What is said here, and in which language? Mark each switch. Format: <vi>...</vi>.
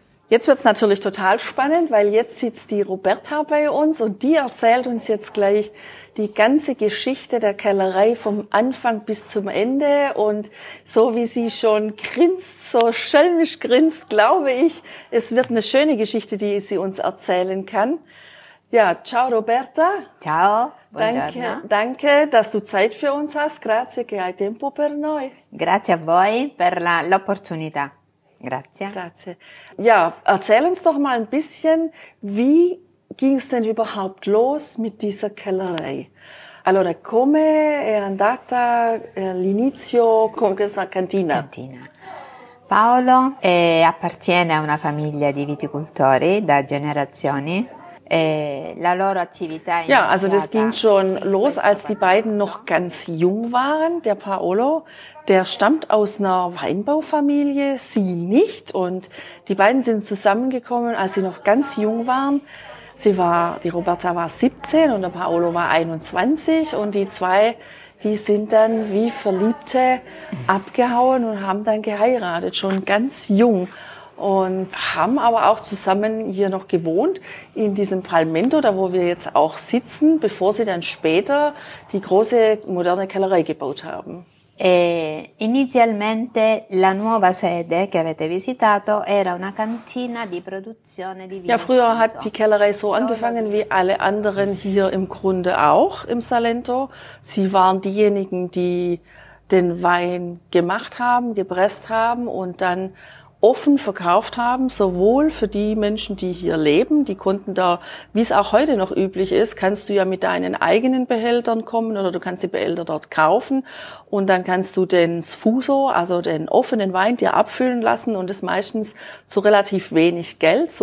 <de>Jetzt wird's natürlich total spannend, weil jetzt sitzt die Roberta bei uns und die erzählt uns jetzt gleich die ganze Geschichte der Kellerei vom Anfang bis zum Ende. Und so wie sie schon grinst, so schelmisch grinst, glaube ich, es wird eine schöne Geschichte, die sie uns erzählen kann. Ja, ciao Roberta.</de> <it>Ciao.</it> <de>Danke, danke, dass du Zeit für uns hast.</de> <it>Grazie, che hai tempo per noi. Grazie a voi per l'opportunità. Grazie. Grazie.</it> <de>Ja, erzähl uns doch mal ein bisschen, wie ging es denn überhaupt los mit dieser Kellerei?</de> <it>Allora, come è andata l'inizio con questa cantina? Cantina. Paolo appartiene a una famiglia di viticoltori da generazioni.</it> <de>Ja, also das ging schon los, als die beiden noch ganz jung waren. Der Paolo, der stammt aus einer Weinbaufamilie, sie nicht. Und die beiden sind zusammengekommen, als sie noch ganz jung waren. Die Roberta war 17 und der Paolo war 21. Und die zwei, die sind dann wie Verliebte abgehauen und haben dann geheiratet, schon ganz jung. Und haben aber auch zusammen hier noch gewohnt, in diesem Palmento, da wo wir jetzt auch sitzen, bevor sie dann später die große moderne Kellerei gebaut haben.</de> <it>Inizialmente la nuova sede che avete visitato era una cantina di produzione di vino.</it> <de>Ja, früher hat die Kellerei so angefangen wie alle anderen hier im Grunde auch im Salento. Sie waren diejenigen, die den Wein gemacht haben, gepresst haben und dann offen verkauft haben, sowohl für die Menschen, die hier leben, die konnten da, wie es auch heute noch üblich ist, kannst du ja mit deinen eigenen Behältern kommen oder du kannst die Behälter dort kaufen und dann kannst du den Sfuso, also den offenen Wein, dir abfüllen lassen und das meistens zu relativ wenig Geld.</de>